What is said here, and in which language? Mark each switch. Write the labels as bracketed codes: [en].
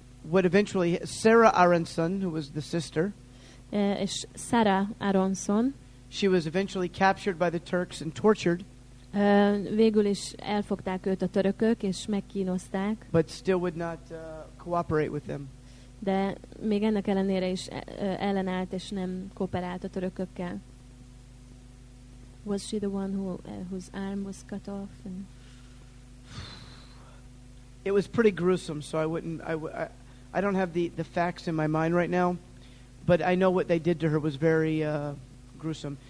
[en] Would eventually Sarah Aronson, who was the sister. [hu] És Sarah Aronson. [en] She was eventually captured by the Turks and tortured. [hu] Végül is elfogták őt a törökök és megkínozták. [en] But still would not cooperate with them. [hu] De még ennek ellenére is ellenállt és nem kooperált a törökökkel. [en] Was she the one who whose arm was cut off? And it was pretty gruesome, so I don't have the facts in my mind right now, but I know what they did to her was very gruesome.